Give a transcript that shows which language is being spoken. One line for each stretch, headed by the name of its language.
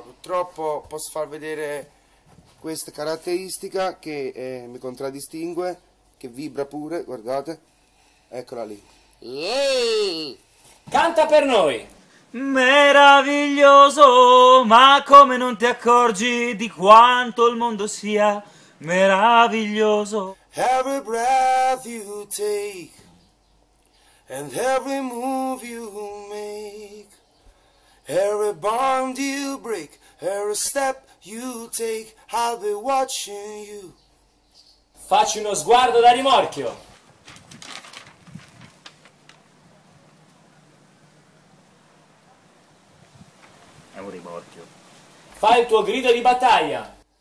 Italian: Purtroppo posso far vedere questa caratteristica che mi contraddistingue, che vibra pure, guardate. Eccola lì. Yay! Canta per noi! Meraviglioso, ma come non ti accorgi di quanto il mondo sia meraviglioso?
English: Every breath you take and every move you make, every bond you break, every step you take, I'll be watching you.
Italian: Facci uno sguardo da rimorchio. Fai il tuo grido di battaglia.